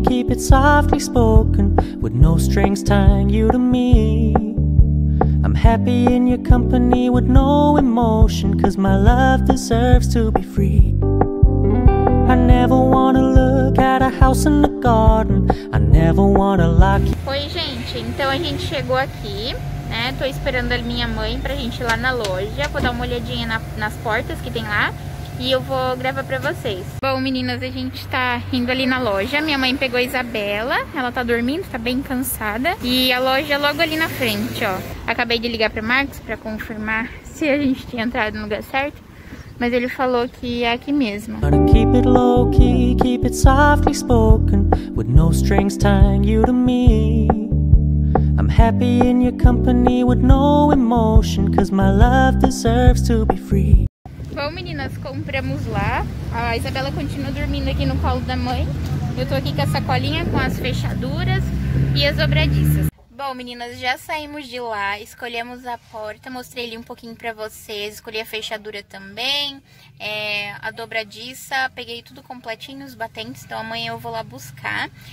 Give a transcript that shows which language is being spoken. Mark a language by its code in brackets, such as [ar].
[en] It's softly spoken, with no strings tying you to me. I'm happy in your company with no emotion, 'cause my love deserves to be free. I never wanna look at a house in the garden, I never wanna lock you. [pt] Oi, gente, então a gente chegou aqui, né? Tô esperando a minha mãe pra gente ir lá na loja. Vou dar uma olhadinha nas portas que tem lá e eu vou gravar pra vocês. Bom, meninas, a gente tá indo ali na loja. Minha mãe pegou a Isabela. Ela tá dormindo, tá bem cansada. E a loja é logo ali na frente, ó. Acabei de ligar pro Marcos pra confirmar se a gente tinha entrado no lugar certo. Mas ele falou que é aqui mesmo. [en] Gotta keep it low key, keep it softly spoken, with no strings tying you to me. I'm happy in your company with no emotion, 'cause my love deserves to be free. [pt] Bom, meninas, compramos lá. A Isabela continua dormindo aqui no colo da mãe. Eu tô aqui com a sacolinha, com as fechaduras e as dobradiças. Bom, meninas, já saímos de lá, escolhemos a porta, mostrei ali um pouquinho pra vocês, escolhi a fechadura também, a dobradiça, peguei tudo completinho, os batentes, então amanhã eu vou lá buscar.